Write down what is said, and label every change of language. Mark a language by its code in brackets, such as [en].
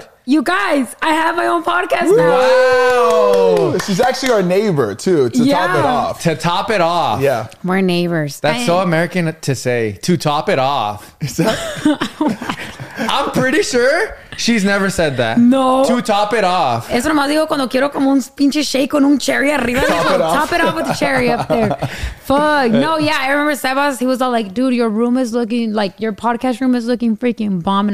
[en] Dude, you guys, I have my own podcast now. Wow. She's actually our neighbor too, to yeah. top it off. To top it off. Yeah. We're neighbors. That's so American to say, to top it off. Is that? I'm pretty sure she's never said that. No. To top it off. [es] Eso nomás digo cuando quiero como un pinche shake con un cherry arriba. [en] Top it off with the cherry up there. Fuck. No, yeah. I remember Sebas, he was all like, dude, your room is looking like your podcast room is looking freaking bomb.